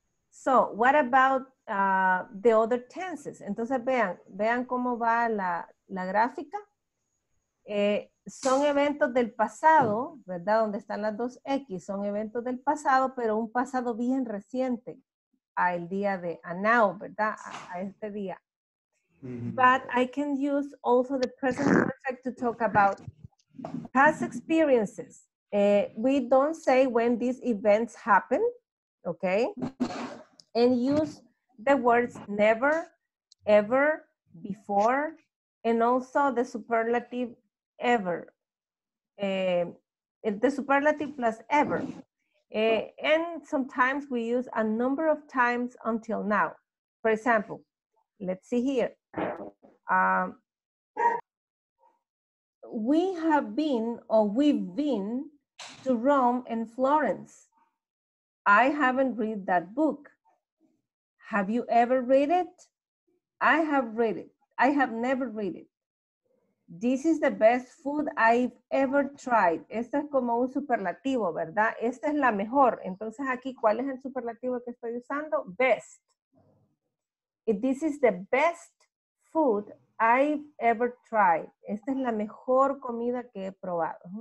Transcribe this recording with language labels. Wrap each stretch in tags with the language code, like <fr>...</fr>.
<en>So, what about the other tenses?</en> <es>Entonces, vean cómo va la gráfica. Son eventos del pasado, ¿verdad? Donde están las dos X. Son eventos del pasado, pero un pasado bien reciente. Al día de, a now, ¿verdad? A este día.</es> <en>But I can use also the present perfect to talk about past experiences. We don't say when these events happen, okay? And use the words never, ever, before, and also the superlative ever. The superlative plus ever. And sometimes we use a number of times until now. For example, let's see here. We have been, or we've been, to Rome and Florence. I haven't read that book. Have you ever read it? I have read it. I have never read it. This is the best food I've ever tried.</en> <es>Este es como un superlativo, ¿verdad? Esta es la mejor. Entonces aquí, ¿cuál es el superlativo que estoy usando?</es> <en>Best. This is the best food I've ever tried.</en> <es>Esta es la mejor comida que he probado.</es>